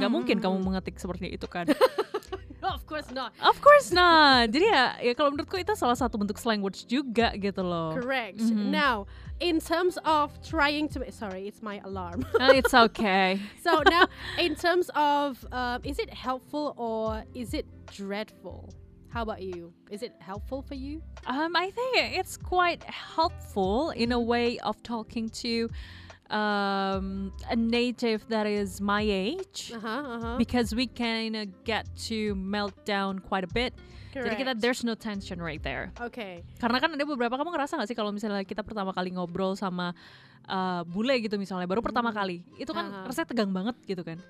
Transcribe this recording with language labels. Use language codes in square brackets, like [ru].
[id] Gak mungkin kamu mengetik seperti itu kan. [en] No, of course not. Of course not. [id] Jadi ya kalau menurutku itu salah satu bentuk slang words juga gitu loh. [en] Correct. Now, in terms of trying to, sorry, it's my alarm. It's okay. So now, in terms of, is it helpful or is it dreadful? How about you? Is it helpful for you? I think it's quite helpful in a way of talking to a native that is my age, because we kind of get to melt down quite a bit. Correct. [id] Jadi kita [en] there's no tension right there. Okay. [id] Karena kan ada beberapa, kamu ngerasa nggak sih kalau misalnya kita pertama kali ngobrol sama bule gitu misalnya, baru pertama kali, itu kan rasanya tegang banget gitu kan?